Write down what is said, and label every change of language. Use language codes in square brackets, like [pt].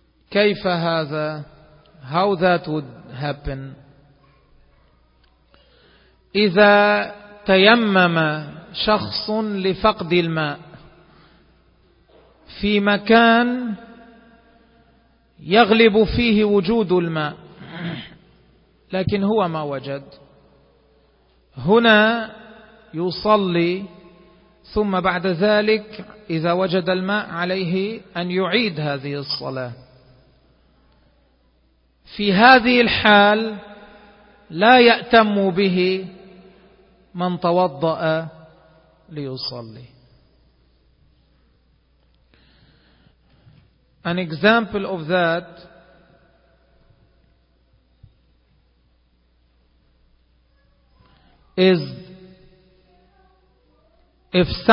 [ar] كيف هذا؟ [en] How that would happen? [ar] إذا تيمم شخص لفقد الماء في مكان يغلب فيه وجود الماء لكن هو ما وجد، هنا يصلي ثم بعد ذلك إذا وجد الماء عليه أن يعيد هذه الصلاة. في هذه الحال لا يأتم به من توضأ ليصلي. [en] An example of that is if